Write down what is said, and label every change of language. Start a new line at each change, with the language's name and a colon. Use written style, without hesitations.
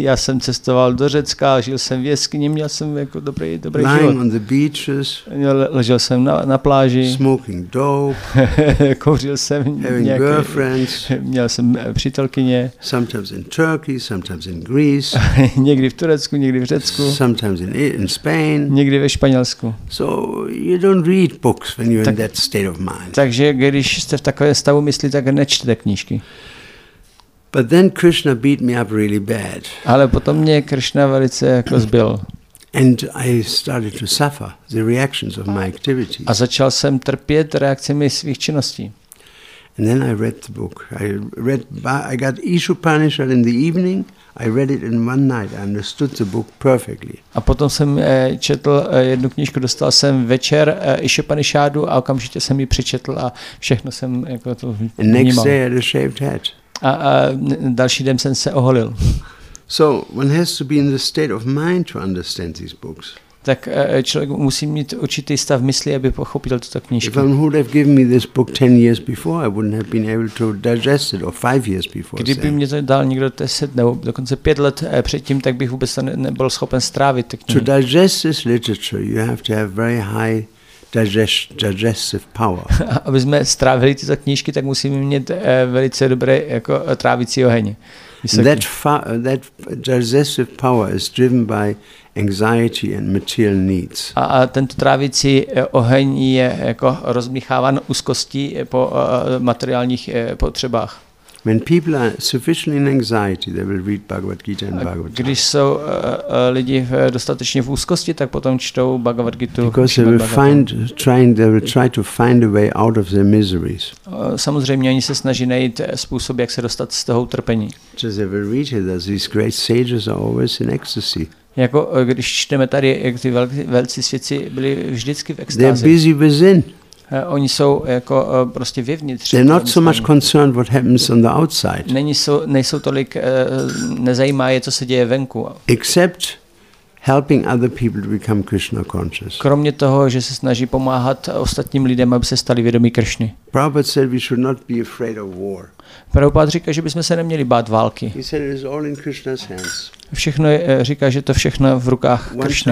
Czech: Já jsem cestoval do Řecka, žil jsem v jeskyni, měl jsem jako dobrý život.
English: Lying on the beaches.
Czech: Ležel jsem na pláži.
English: Smoking dope.
Czech: Kouřil jsem.
English: Having girlfriends.
Czech: Měl jsem přítelkyně.
English: Sometimes in Turkey, sometimes in Greece.
Czech: Někdy v Turecku, někdy v Řecku.
English: Sometimes in Spain.
Czech: Někdy ve Španělsku.
English: So you don't read books when you're in that state of mind.
Czech: Takže když jste v takové stavu mysli, tak nečtete knížky.
English: But then Krishna beat me up really bad.
Czech: Ale potom mě Krishna velice jako zbil.
English: And I started to suffer the reactions of my activities.
Czech: A začal jsem trpět reakcemi svých činností.
English: And then I read the book. I got Ishupanishad in the evening. I read it in one night. I understood the book perfectly.
Czech: A potom jsem četl jednu knížku, dostal jsem večer Ishupanishadu a okamžitě jsem ji přečetl a všechno jsem jako to vnímal.
English: Next day I had a shaved head.
Czech: A další den jsem se oholil.
English: So one has to be in the state of mind to understand these books.
Czech: tak člověk musí mít určitý stav mysli, aby pochopil tuto knížku.
English: If one would have given me this book 10 years before, I wouldn't have been able to digest it, or 5 years before.
Czech: Kdyby mě to dal někdo 10 nebo dokonce 5 let předtím, tak bych vůbec nebyl schopen strávit tu knihu.
English: To digest this literature, you have to have very high digestive power.
Czech: Aby jsme strávili tyto knížky, tak musíme mít velice dobré jako trávicí oheň.
English: That digestive power is driven by anxiety and material needs.
Czech: A tento trávicí oheň je jako rozmíchávan úzkostí po materiálních potřebách.
English: When people are sufficiently in anxiety, they will read Bhagavad Gita and Bhagavad Gita.
Czech: Když jsou lidi dostatečně v úzkosti, tak potom čtou Bhagavad Gita.
English: Because they will try to find a way out of their miseries.
Czech: Samozřejmě oni se snaží najít způsob, jak se dostat z toho utrpení.
English: So they will read it as these great sages are always in ecstasy.
Czech: Jako když čteme tady, jak ty velcí svědci byli vždycky v extázi.
English: They are busy within.
Czech: Oni jsou jako prostě vevnitř.
English: They're not so much concerned what happens on the outside.
Czech: Nejsou tolik nezajímá je, co se děje venku.
English: Except helping other people to become Krishna conscious.
Czech: Kromě toho, že se snaží pomáhat ostatním lidem, aby se stali vědomí Kršny.
English: Prabhupada said we should not be afraid of war.
Czech: Prabhupada říká, že bychom se neměli bát války.
English: He said it is all in Krishna's hands.
Czech: Všechno je, říká, že to všechno v rukách Kršny.